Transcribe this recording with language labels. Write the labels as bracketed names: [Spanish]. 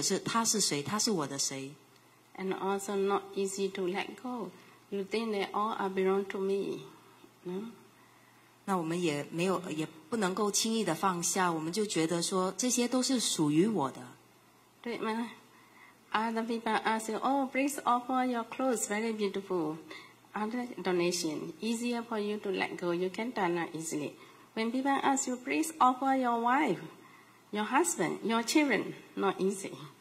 [Chinese] 所以这是不容易的，我们虽然说我们了解，可是我们没有办法放下，老是想着说这是我的妻子、我的丈夫、这是我的孩子，他们是属于我的，他不能够和他跟其他人在一起，他是为了我、为了我这一群人、为了我的家人，所以这些呢都是邪见，这些邪见呢都是因为执着，想说我是谁，或者是他是谁，他是我的谁。 [English] And also not easy to let go. You think they all are belong to me. No? [Chinese] 那我们也没有，也不能够轻易的放下，我们就觉得说这些都是属于我的。对吗？ [English] Other people ask you, oh, please offer your clothes, very beautiful. Other donation, easier for you to let go, you can turn out easily. When people ask you, please offer your wife, your husband, your children, not easy.